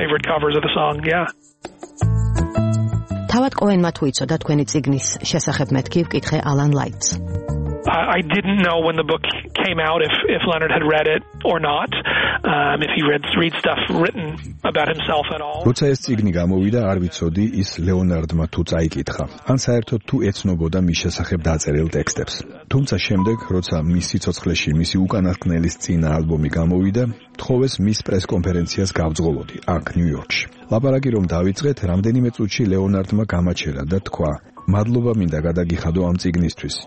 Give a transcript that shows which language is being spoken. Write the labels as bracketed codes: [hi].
[ka] თავად კოენმა თუ იცოდა თქვენი ციგნის შესახებ მეთქი, ვკითხე Alan Lights. [en] I didn't know when the book came out if Leonard had read it or not, if he read stuff written about himself at all. [ka] როცა ეს წიგნი გამოვიდა, არ ვიცოდი ის ლეონარდმა თუ წაიკითხა, ან საერთოდ თუ ეცნობოდა მის შესახებ დაწერილ ტექსტებს. თუმცა შემდეგ, როცა მის სიცოცხლეში მისი უკანასკნელის წინა ალბომი გამოვიდა, თხოვეს მის პრეს კონფერენციას გავძღოლოდი აქ ნიუ-იორკში. ლაპარაკი რომ დავიწყეთ, რამდენიმე წუთში ლეონარდმა გამაჩერა და თქვა: მადლობა მინდა გადაგიხადო ამ წიგნისთვის.